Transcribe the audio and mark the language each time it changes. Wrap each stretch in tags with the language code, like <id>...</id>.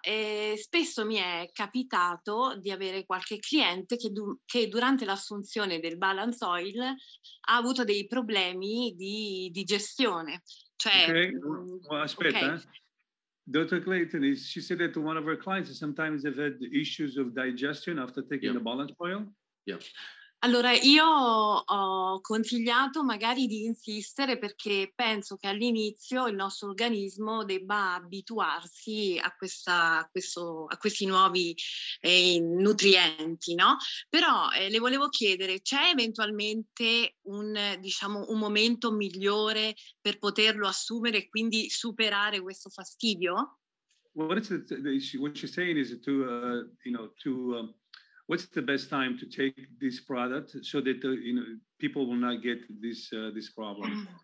<it>Spesso mi è capitato di avere qualche cliente che durante l'assunzione del Balance Oil ha avuto dei problemi di digestione. Cioè,</it> <en>okay.</en> <it>Aspetta.</it> <en>Okay. Dr. Clayton, she said that one of her clients sometimes have had issues of digestion after taking the Balance Oil? Yeah.</en> <it>Allora, io ho consigliato magari di insistere perché penso che all'inizio il nostro organismo debba abituarsi a questi nuovi nutrienti, no? Però le volevo chiedere, c'è eventualmente un momento migliore per poterlo assumere e quindi superare questo fastidio?</it> <en>What she's saying is to, you know, to... what's the best time to take this product so that you know people will not get this this problem?</en>